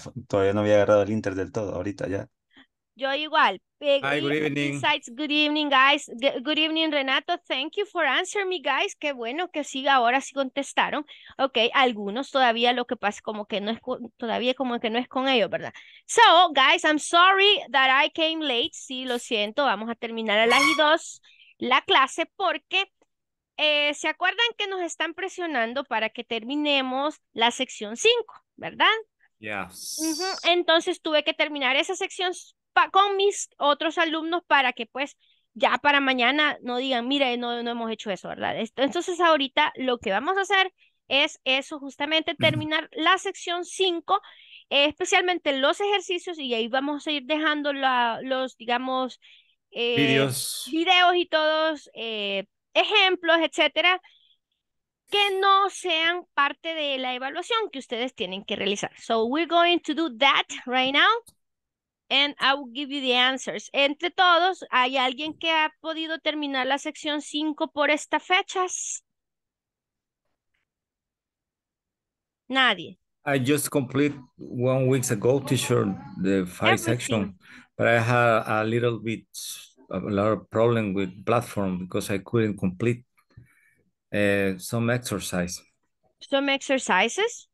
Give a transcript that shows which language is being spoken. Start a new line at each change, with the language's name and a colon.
Spanish: Todavía no había agarrado el inter del todo, ahorita ya. Yo igual.
English: Hi, good evening. Besides, good evening, guys. Good evening, Renato. Thank you for answering me, guys.
Spanish: Qué bueno que sí, ahora sí contestaron. Ok, algunos todavía lo que pasa como que no es todavía como que no es con ellos, ¿verdad?
English: So, guys, I'm sorry that I came late.
Spanish: Sí, lo siento. Vamos a terminar a las 2 la clase porque ¿se acuerdan que nos están presionando para que terminemos la sección 5, ¿verdad?
English: Yes.
Spanish: Entonces tuve que terminar esa sección con mis otros alumnos para que pues ya para mañana no digan, mire, no hemos hecho eso, ¿verdad? Entonces ahorita lo que vamos a hacer es eso, justamente terminar la sección 5, especialmente los ejercicios, y ahí vamos a ir dejando los, digamos, Videos. videos y todos ejemplos, etcétera, que no sean parte de la evaluación que ustedes tienen que realizar.
English: So we're going to do that right now. And I will give you the answers.
Spanish: Entre todos, ¿hay alguien que ha podido terminar la sección 5 por estas fechas? Nadie.
English: I just complete 1 week ago, teacher, the five Everything. Section, but I had a little bit of a lot of problem with platform because I couldn't complete some exercise. Some exercises.